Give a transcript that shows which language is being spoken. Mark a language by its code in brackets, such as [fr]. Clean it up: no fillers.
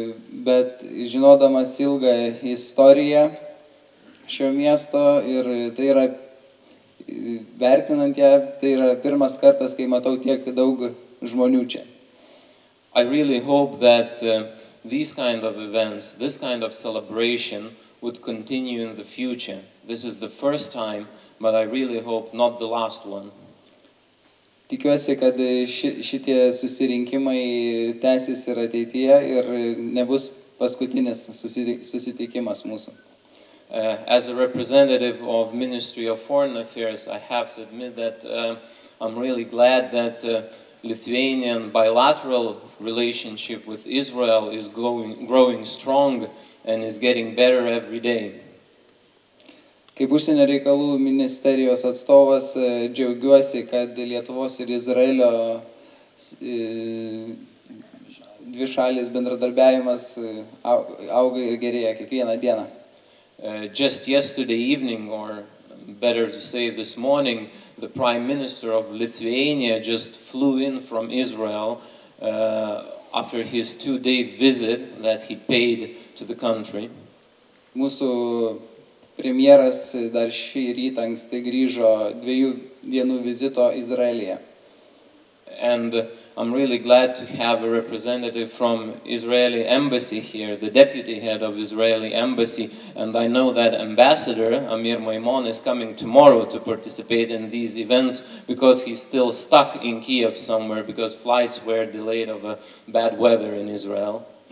[lt] Bet žinodamas ilgą istoriją šio miesto ir tai yra vertinant ją, tai yra pirmas kartas, kai matau tiek daug žmonių čia. [en] I really hope that these kind of events, this kind of celebration would continue in the future. This is the first time, but I really hope not the last one. [lt] Tikiuosi, kad šitie susirinkimai tęsis ir ateityje ir nebus paskutinis susitikimas mūsų. [en] As a representative of Ministry of Foreign Affairs, I have to admit that I'm really glad that Lithuanian bilateral relationship with Israel is growing strong and is getting better every day. [lt] Kaip užsienio reikalų ministerijos atstovas džiaugiuosi, kad Lietuvos ir Izraelio dvi šalis bendradarbiavimas auga ir gerėja kiekvieną dieną. [en] Just yesterday evening, or better to say this morning, the Prime Minister of Lithuania just flew in from Israel after his two-day visit that he paid to the country. [lt] Mūsų premjeras dar šį rytą anksti grįžo dviejų dienų vizito Izraelyje. [en] And I'm really glad to have a representative from Israeli embassy here, the deputy head of Israeli embassy, and I know that ambassador Amir Maimon is coming tomorrow to participate in these events because he's still stuck in Kiev somewhere because flights were delayed of a bad weather in Israel.